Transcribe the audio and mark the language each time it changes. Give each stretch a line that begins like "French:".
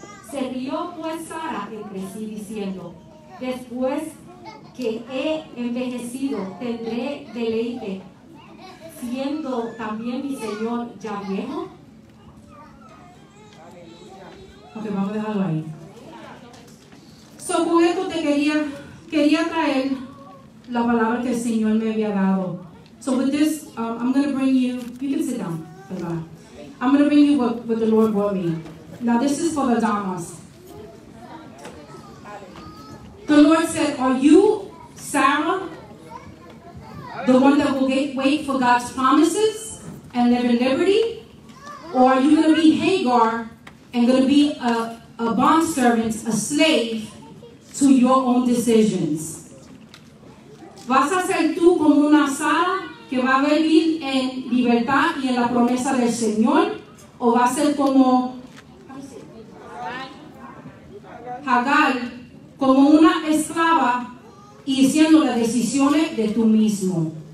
Spanish: Se rió pues Sara entre sí diciendo, después que he envejecido, tendré deleite, siendo también mi señor ya viejo. Ok, vamos a dejarlo ahí. So, con esto te quería traer la palabra que el Señor me había dado.
English: So with this, I'm going to bring you, you can sit down, ¿verdad? I'm going to bring you what the Lord brought me. Now this is for the damas. The Lord said, are you Sarah, the one that will wait for God's promises and live in liberty? Or are you going to be Hagar and going to be a bondservant, a slave to your own decisions?
Spanish: ¿Vas a ser tú como una Sara que va a vivir en libertad y en la promesa del Señor? ¿O va a ser como Hagar, como una esclava y siendo las decisiones de tú mismo?